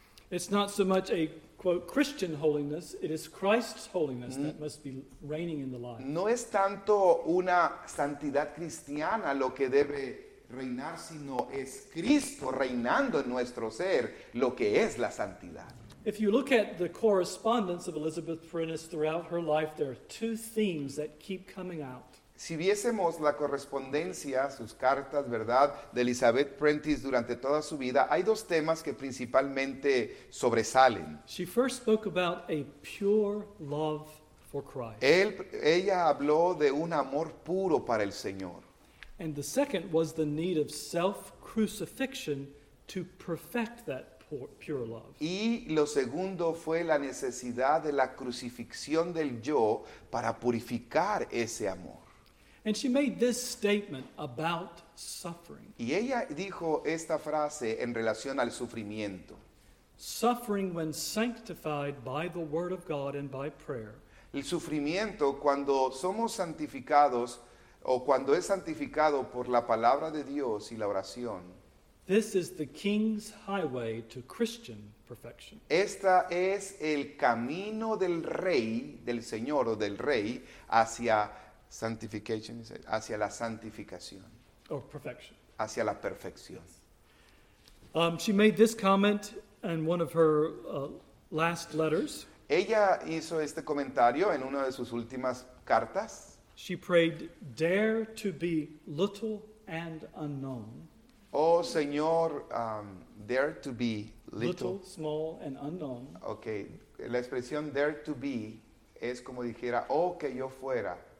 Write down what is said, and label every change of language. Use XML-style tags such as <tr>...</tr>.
<en>It's not so much a quote Christian holiness, it is Christ's holiness that must be reigning in the life.</en> <es>No es tanto una santidad cristiana lo que debe reinar, sino es Cristo reinando en nuestro ser lo que es la santidad.</es> <en>If you look at the correspondence of Elizabeth Prentice throughout her life, there are two themes that keep coming out.</en> <es>Si viésemos la correspondencia, sus cartas, ¿verdad?, de Elizabeth Prentice durante toda su vida, hay dos temas que principalmente sobresalen.</es> <en>She first spoke about a pure love for Christ.</en> <es>Ella habló de un amor puro para el Señor.</es> <en>And the second was the need of self-crucifixion to perfect that pure love.</en> <es>Y lo segundo fue la necesidad de la crucifixión del yo para purificar ese amor.</es> <en>And she made this statement about suffering.</en> <es>Y ella dijo esta frase en relación al sufrimiento.</es> <en>Suffering when sanctified by the word of God and by prayer.</en> <es>El sufrimiento cuando somos santificados o cuando es santificado por la palabra de Dios y la oración.</es> <en>This is the king's highway to Christian perfection.</en> <es>Esta es el camino del rey, del Señor o del rey hacia sanctification, hacia la santificación.</es> <en>Or perfection.</en> <es>Hacia la perfección.</es> <en>She made this comment in one of her last letters.</en> <es>Ella hizo este comentario en una de sus últimas cartas.</es> <en>She prayed, dare to be little and unknown.</en> <es>Oh, Señor,</es> <en>dare to be little. Little, small, and unknown.</en> <es>Okay, la expresión</es> <en>dare to be</en> <es>es como dijera, oh, que yo fuera.</es>